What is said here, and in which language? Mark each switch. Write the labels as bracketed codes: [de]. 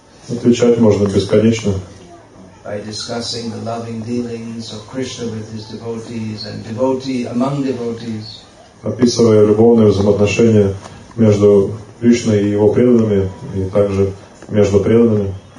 [ru] Отвечать можно бесконечно. [en] By discussing the loving dealings of Krishna with his devotees and devotee among devotees. [ru] Описывая любовные взаимоотношения между Кришной и его преданными, и также между преданными.